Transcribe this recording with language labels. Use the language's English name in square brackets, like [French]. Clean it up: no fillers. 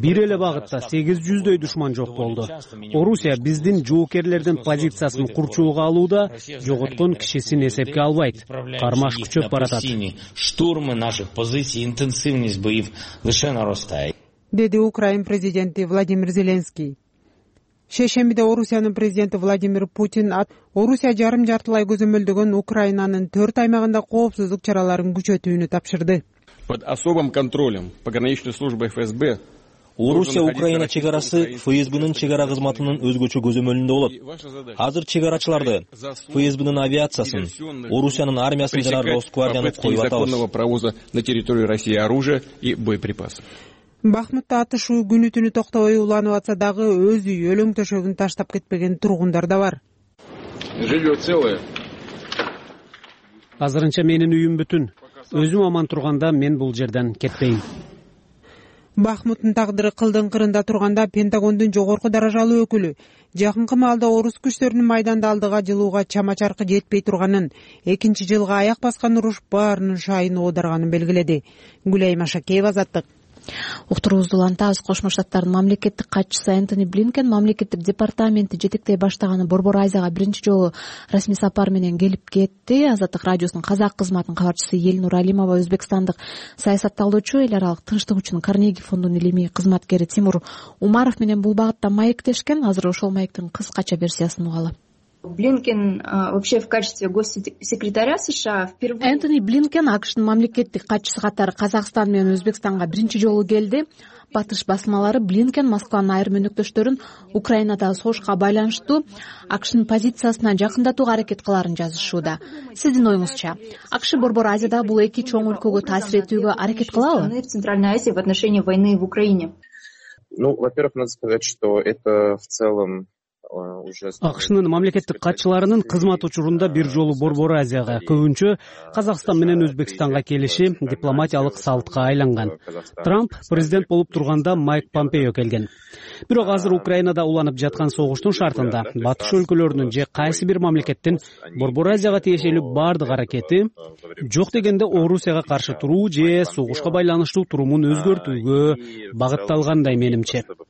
[Kyrgyz] Бир эле багытта 800 душман жок болду. Орусия биздин жоокерлердин позициясын курчулууга алууда жоготкон кишисин эсепке албайт. Кармаш күчөп баратат. [Russian] Штурмы наших позиций, интенсивность боев лише нарастает. [Kyrgyz] Деди Украин президенти Владимир Зеленский. Шешембиде Орусиянын президенти Владимир Путин Орусия жарым жартылай көзөмөлдөгөн Украинанын 4 аймагында коопсуздук чараларын күчөтүүнү тапшырды. [Russian] Под особым контролем пограничной службы ФСБ [Kyrgyz] Орусия Украина чек арасы ФСБнын чек ара кызматынын өзгөчө көзөмөлүндө болот. Азыр чек арачыларды ФСБнын авиациясын, Орусиянын армиясын жана Росгвардияны коюп атабыз. [Russian] Законного провоза на территорию России оружие и боеприпасы. [Kyrgyz] Бахмутта атышуу күнү түнү токтобой уланып атса дагы өз үй өлөң төшөгүн таштап кетпеген тургундар да бар. [Russian] Жилье целое. [Kyrgyz] Азырынча менин үйүм бүтүн. Өзүм аман турганда мен бул жерден кетпейм. Бахмуттун тагдыры кылдын кырында турганда Пентагондун жогорку даражалуу өкүлү жакынкы маалда орус күчтөрүнүн майданды алдыга жылууга чама чаркы жетпей турганын, экинчи жылга аяк баскан уруш баарынын шайын оодарганын белгиледи. Гүлайма Шакеева, Азаттык. Уктуруубузду улантабыз. Кошмо Штаттардын мамлекеттик катчысы Энтони Блинкен мамлекеттик департаменти жетектей баштаганы Борбор Азияга биринчи жолу расмий сапар менен келип кетти. Азаттык радиосунун казак кызматынын кабарчысы Элинур Алимова өзбекстандык саясатталуучу эл аралык тынчтык үчүн Карнеги фондунун илимий кызматкери Тимур Умаров менен бул багытта маектешкен. Азыр ошол маектин кыскача версиясын угалы. [Russian] Блинкен вообще в качестве госсекретаря США впервые... [Kazakh] Энтони Блинкен АКШ'ның мамлекеттік қатшысы қатары Қазақстан мен Өзбекстанға бірінші жолы келді. [Kyrgyz] Батыш басмалары Блинкен Москваның айырым өнөктөштөрүн Украинада согушка байланыштуу АКШ'ның позициясына жакындатууга аракет кыларын жазышууда. Сиздин оюңузча, АКШ Борбор Азияда бул эки чоң өлкөгө таасир этүүгө аракет кылабы? [Russian] Центральная Азия в отношении войны в Украине. Ну, во-первых, надо сказать, что это в целом [Kyrgyz] АКШ'нын мамлекеттик катчыларынын кызмат учурунда бир жолу Борбор Азияга, көбүнчө Казакстан менен Өзбекстанга келиши дипломатиялык салтка айланган. Трамп президент болуп турганда Майк Помпео келген. Бирок азыр Украинада уланып жаткан согуштун шартында батыш өлкөлөрүнүн же кайсы бир мамлекеттин Борбор Азияга тиешелүү бардык аракети жок дегенде Орусияга каршы туруу же согушка байланыштуу турумун өзгөртүүгө багытталгандай менимче.